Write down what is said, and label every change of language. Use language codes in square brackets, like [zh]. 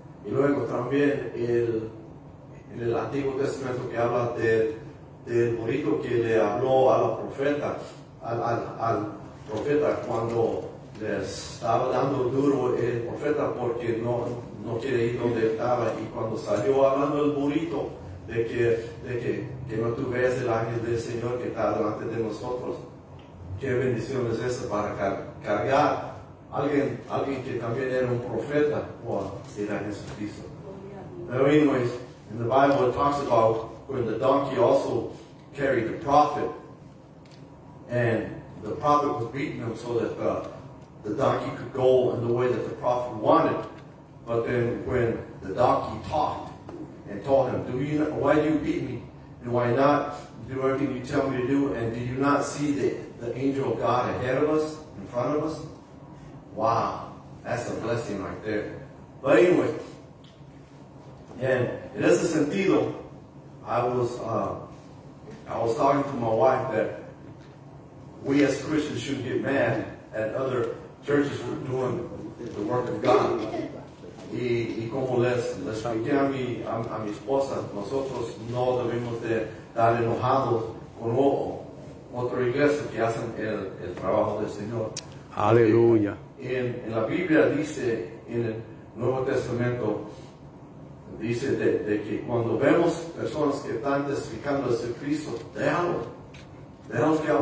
[es] Y luego también en el Antiguo Testamento que habla del burrito que le habló a la profeta, al profeta cuando le estaba dando duro el profeta porque no quiere ir donde estaba. Y cuando salió hablando el burrito de que no tú veas el ángel del Señor que está delante de nosotros, qué bendición es esa para cargar. Alguien que también era un profeta, será Jesucristo. [en] Pero anyways, in the Bible it talks about when the donkey also carried the prophet, and the prophet was beating him so that the donkey could go in the way that the prophet wanted. But then when the donkey talked and told him, why do you beat me? And why not do everything you tell me to do? And do you not see the angel of God ahead of us, in front of us? Wow, that's a blessing right there. But anyway, and in [es] ese sentido, [en] I was talking to my wife that we as Christians shouldn't get mad at other churches for doing the work of God. [es] Y como les expliqué a mi esposa, nosotros no debemos de estar enojados con otra iglesia que hacen el trabajo del Señor. Aleluya. En la Biblia dice, en el Nuevo Testamento, dice de que cuando vemos personas que están testificando de Cristo, déjalo que hablen.